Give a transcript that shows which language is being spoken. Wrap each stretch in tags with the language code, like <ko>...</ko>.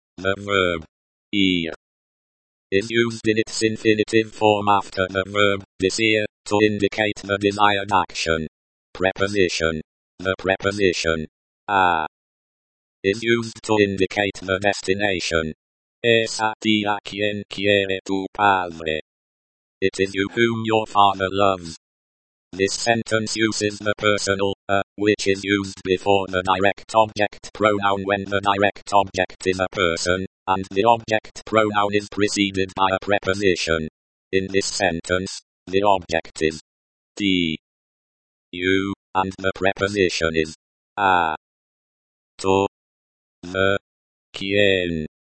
<en>The verb, ir, is used in its infinitive form after the verb, desear, to indicate the desired action. Preposition. The preposition, a, is used to indicate the destination.</en> <es>Es a ti a quien quiere tu padre.</es> <en>It is you whom your father loves. This sentence uses the personal, which is used before the direct object pronoun when the direct object is a person, and the object pronoun is preceded by a preposition. In this sentence, the object is ti, you, and the preposition is a, to, the, quien.</en>